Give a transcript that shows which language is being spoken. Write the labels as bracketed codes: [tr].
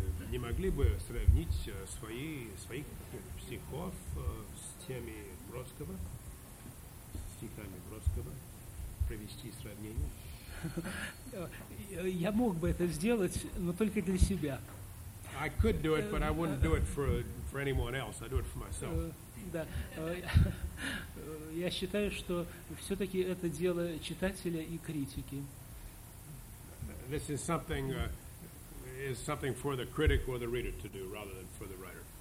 [ru] Не могли бы сравнить своих стихов с теми Бродского, стихами Бродского, провести сравнение? Я мог бы это сделать, но только для себя. [en] I could do it, but I wouldn't do it for anyone else. I do it for myself. [ru] Да. Я считаю, что все-таки это дело читателя и критики. [en] This is something is something for the critic or the reader to do rather than for the writer.